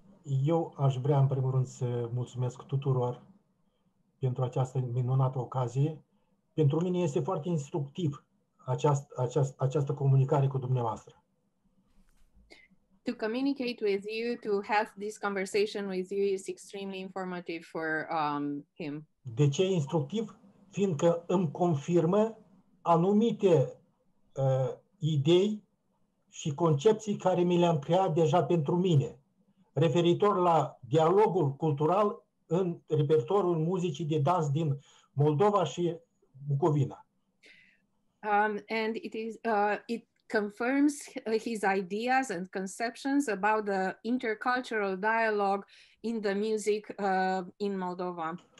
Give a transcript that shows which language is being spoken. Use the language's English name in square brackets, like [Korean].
[Romanian] Eu aș vrea, în primul rând, să mulțumesc tuturor pentru această minunată ocazie. Pentru mine este foarte instructiv această comunicare cu dumneavoastră. [English] To communicate with you, to have this conversation with you is extremely informative for him. [Romanian] De ce e instructiv? Fiindcă îmi confirmă anumite idei și concepții care mi le-am creat deja pentru mine, referitor la dialogul cultural în repertoriul muzicii de dans din Moldova și Bucovina. [English] And it is it confirms his ideas and conceptions about the intercultural dialogue in the music in Moldova.